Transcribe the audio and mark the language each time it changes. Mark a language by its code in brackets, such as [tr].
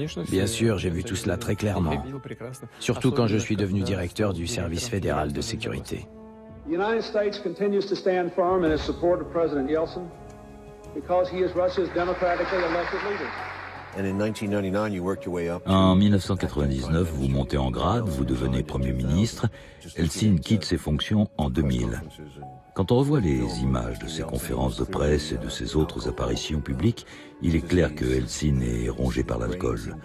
[fr] Bien sûr, j'ai vu tout cela très clairement, surtout quand je suis devenu directeur du service fédéral de sécurité. [en] The United States continues to stand firm in its support of President Yeltsin because he is Russia's democratically elected leader. [fr] En 1999, vous montez en grade, vous devenez Premier ministre. Eltsine quitte ses fonctions en 2000. Quand on revoit les images de ses conférences de presse et de ses autres apparitions publiques, il est clair que Eltsine est rongé par l'alcool.